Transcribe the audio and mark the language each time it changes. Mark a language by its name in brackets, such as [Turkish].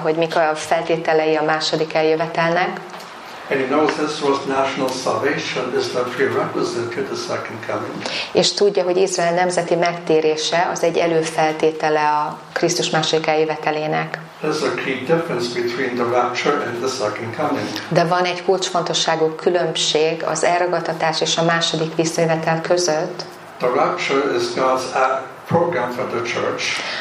[Hungarian] hogy mik a feltételei a második eljövetelnek. [English] And he knows Israel's national salvation is the prerequisite to the second coming. [Hungarian] És tudja, hogy Izrael nemzeti megtérése az egy előfeltétele a Krisztus második eljövetelének. [English] There's a key difference between the rapture and the second coming. [Hungarian] De van egy kulcsfontosságú különbség az elragadtatás és a második visszajövetel között. [English] The rapture is God's program for the church.